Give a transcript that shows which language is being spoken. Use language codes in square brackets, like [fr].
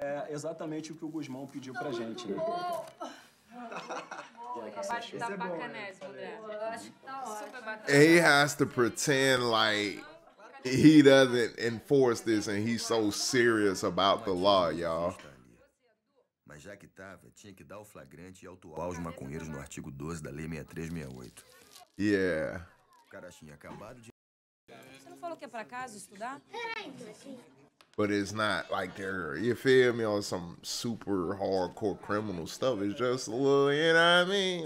[pt] Exatamente o que o Guzmão pediu pra gente. [en] And he has to pretend like he doesn't enforce this and he's so serious about the law, y'all. [pt] Mas já que tava, tinha que dar o flagrante e autuar os maconheiros no artigo 12 da lei 6368. [en] Yeah. [pt] O cara tinha acabado de... Você não falou que é pra casa estudar? [en] But it's not like they're, you feel me, on some super hardcore criminal stuff. It's just a little, you know what I mean?